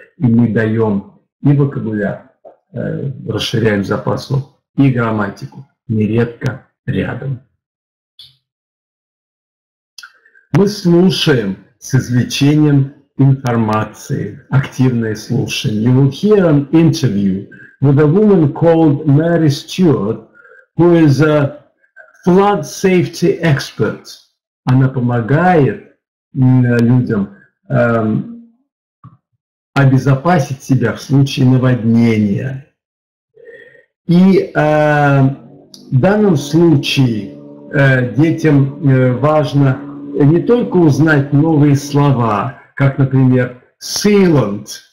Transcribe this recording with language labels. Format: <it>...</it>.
<ru>И мы даем и вокабуляр, расширяем запас слов, и грамматику нередко рядом. Мы слушаем с извлечением информации, активное слушание.</ru> <en>You will hear an interview with a woman called Mary Stewart, who is a flood safety expert.</en> <ru>Она помогает людям обезопасить себя в случае наводнения. И в данном случае детям важно не только узнать новые слова, как, например, sealant,</ru>